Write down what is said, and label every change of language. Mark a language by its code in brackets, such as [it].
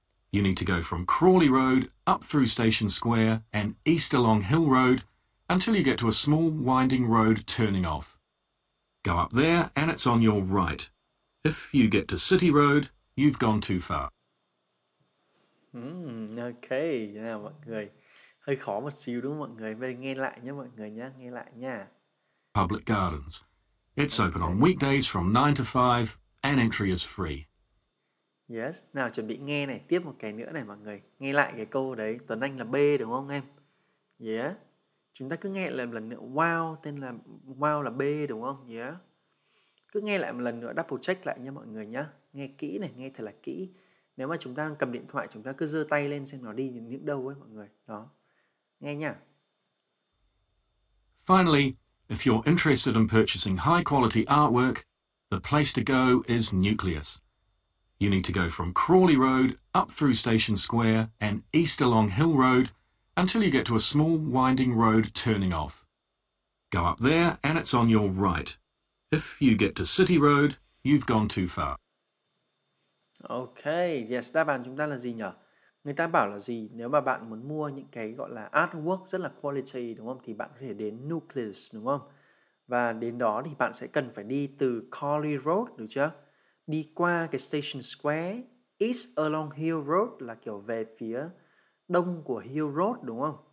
[en] You need to go from Crawley Road up through Station Square and east along Hill Road until you get to a small winding road turning off. Go up there and it's on your right. If you get to City Road, you've gone too far. [vi] Okay, nào mọi người. Hơi khó một xíu đúng không mọi người? Vậy nghe lại nhé mọi người nhé, nghe lại nha. [en] Public Gardens. It's okay. Open on weekdays from 9 to 5 and entry is free. [vi] Yes, nào chuẩn bị nghe này, tiếp một cái nữa này mọi người. Nghe lại cái câu đấy, Tuấn Anh là B đúng không em? Yeah. Chúng ta cứ nghe lại một lần nữa. Wow, tên là Wow là B đúng không? Yeah. Cứ nghe lại một lần nữa, double check lại nha mọi người nhá. Nghe kỹ này, nghe thật là kỹ. Nếu mà chúng ta cầm điện thoại, chúng ta cứ giơ tay lên xem nó đi những đâu ấy mọi người. Đó. Nghe nha. [en] Finally, if you're interested in purchasing high quality artwork, the place to go is Nucleus. You need to go from Crawley Road up through Station Square and east along Hill Road until you get to a small winding road turning off. Go up there and it's on your right. If you get to City Road, you've gone too far. [vi] Okay, yes, đáp án chúng ta là gì nhỉ? Người ta bảo là gì? Nếu mà bạn muốn mua những cái gọi là artwork rất là quality, đúng không? Thì bạn có thể đến Nucleus, đúng không? Và đến đó thì bạn sẽ cần phải đi từ Crawley Road, đúng chưa? Đi qua cái Station Square, [en] East along Hill Road [vi] là kiểu về phía đông của Hill Road, đúng không?